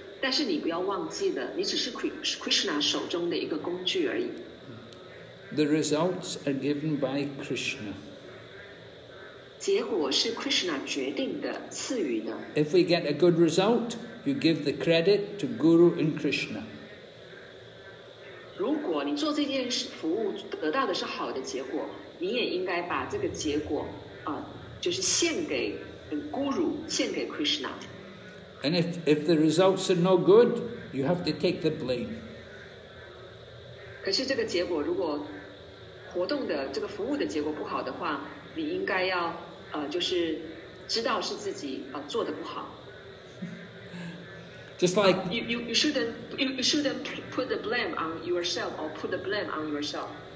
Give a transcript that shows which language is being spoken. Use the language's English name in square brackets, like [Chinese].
[Chinese] 但是你不要忘记了，你只是 Krishna 手中的一个工具而已。 [English] The results are given by Krishna. [Chinese] 结果是 Krishna 决定的，赐予的。 [English] If we get a good result, you give the credit to Guru and Krishna. [Chinese] 如果你做这件事服务得到的是好的结果，你也应该把这个结果啊。就是献给 Guru, 献给 Krishna. [English] And if the results are no good, you have to take the blame. [Chinese] 可是这个结果如果活动的这个服务的结果不好的话，你应该要就是知道是自己做的不好。 [English] Just like you shouldn't put the blame on yourself or put the blame on yourself.